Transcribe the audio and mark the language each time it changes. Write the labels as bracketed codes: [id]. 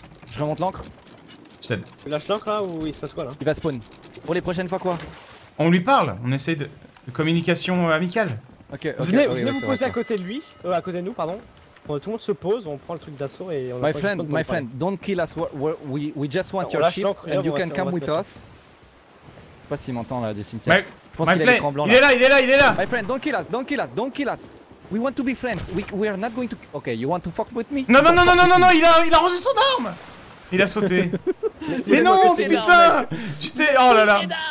[fr] Je remonte l'encre. Tu lâches l'encre là ou il se passe quoi là? Il va spawn. Pour les prochaines fois quoi? On lui parle, on essaie de. Communication amicale. Ok, venez vous poser à côté de lui, à côté de nous, pardon. Tout le monde se pose, on prend le truc d'assaut et on. [en] My friend, don't kill us. We just want your ship and you can come with us. [fr] Je sais pas s'il m'entend là du cimetière. Il est là. [en] My friend, don't kill us. We want to be friends. We are not going to. Ok, you want to fuck with me? [fr] Non, il a rangé son arme. Il a sauté. Mais non, putain. Tu t'es. Oh là là.